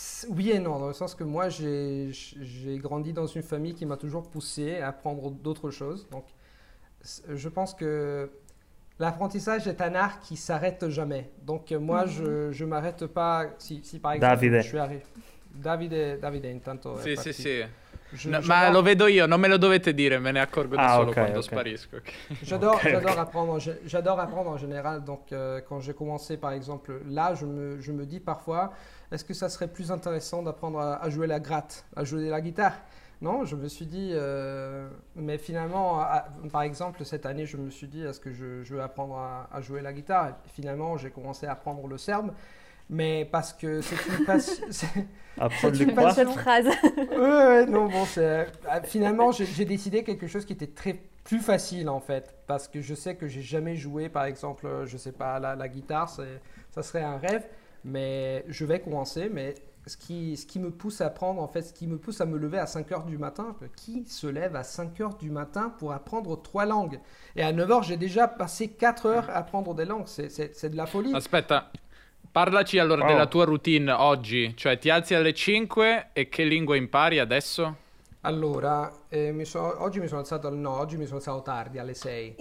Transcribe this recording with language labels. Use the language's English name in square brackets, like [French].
[French] Oui et non, dans le sens que moi j'ai grandi dans une famille qui m'a toujours poussé à apprendre d'autres choses. Donc je pense que l'apprentissage est un art qui s'arrête jamais. Donc moi je m'arrête pas si par exemple Davide. Je suis arrivé. Davide [Italian] intanto sì, sì, sì. Ma lo vedo io, non me lo dovete dire, me ne accorgo da solo quando sparisco. Okay. [French] J'adore apprendre en général, donc quand j'ai commencé par exemple là, je me dis parfois, est-ce que ça serait plus intéressant d'apprendre à jouer la gratte, à jouer la guitare? Non, je me suis dit, mais finalement, par exemple cette année, je me suis dit, est-ce que je veux apprendre à jouer la guitare? Et finalement, j'ai commencé à apprendre le serbe. Mais parce que c'est une passion. C'est une passion. Phrase. Ouais, non, bon, c'est. Finalement, j'ai décidé quelque chose qui était très plus facile, en fait. Parce que je sais que j'ai jamais joué, par exemple, je sais pas, la guitare, ça serait un rêve. Mais je vais commencer. Mais ce qui me pousse à apprendre, en fait, ce qui me pousse à me lever à 5 heures du matin. Qui se lève à 5 heures du matin pour apprendre 3 langues? Et à 9 heures, j'ai déjà passé 4 heures à apprendre des langues. C'est de la folie. [Italian] Aspetta, parlaci allora della tua routine oggi. Cioè, ti alzi alle 5 e che lingua impari adesso? Allora, oggi mi sono alzato al... No, oggi mi sono alzato tardi, alle 6.